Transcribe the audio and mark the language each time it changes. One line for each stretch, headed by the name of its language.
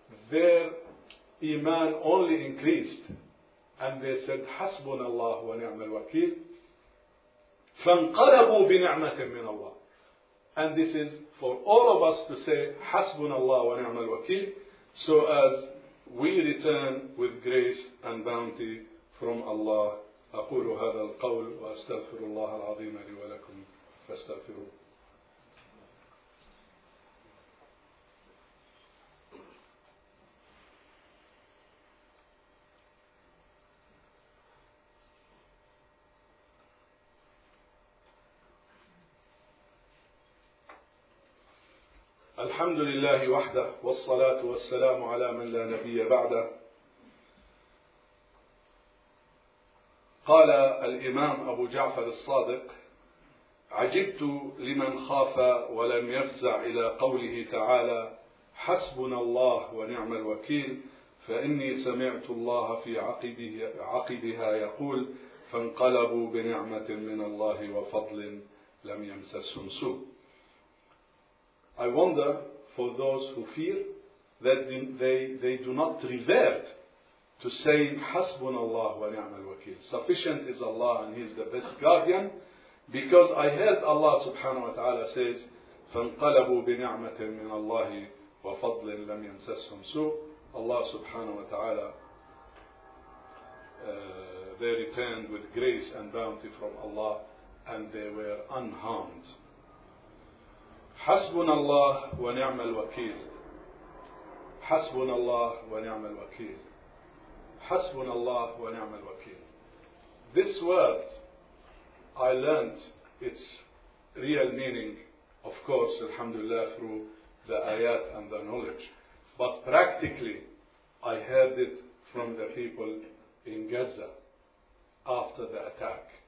English: Their iman only increased. And they said,
Arabic: حَسْبُنَ اللَّهُ وَنِعْمَ الْوَكِيلُ فَانْقَلَبُوا بِنِعْمَةٍ مِّنَ اللَّهِ.
English: And this is for all of us to say,
Arabic: حَسْبُنَ اللَّهُ وَنِعْمَ الْوَكِيلُ,
English: so as we return with grace and bounty from Allah.
Arabic: أقول هذا القول وأستغفر الله العظيم لي ولكم فاستغفروه. الحمد لله وحده والصلاة والسلام على من لا نبي بعده. قال الإمام أبو جعفر الصادق عجبت لمن خاف ولم يفزع إلى قوله تعالى حسبنا الله ونعم الوكيل فإني سمعت الله في عقبها يقول فانقلبوا بنعمة من الله وفضل لم يمسسهم سوء.
English: I wonder for those who fear that they do not revert to saying
Arabic: حسبنا الله ونعم الوكيل,
English: sufficient is Allah and He is the best guardian, because I heard Allah subhanahu wa ta'ala says
Arabic: فانقلبوا بنعمة من الله وفضل لم يمسسهم سوء.
English: Allah subhanahu wa ta'ala they returned with grace and bounty from Allah and they were unharmed.
Arabic: حسبنا الله ونعم الوكيل, حسبنا الله ونعم الوكيل, حسبنا الله ونعم الوكيل.
English: This word, I learned its real meaning, of course, alhamdulillah, through the ayat and the knowledge. But practically, I heard it from the people in Gaza after the attack.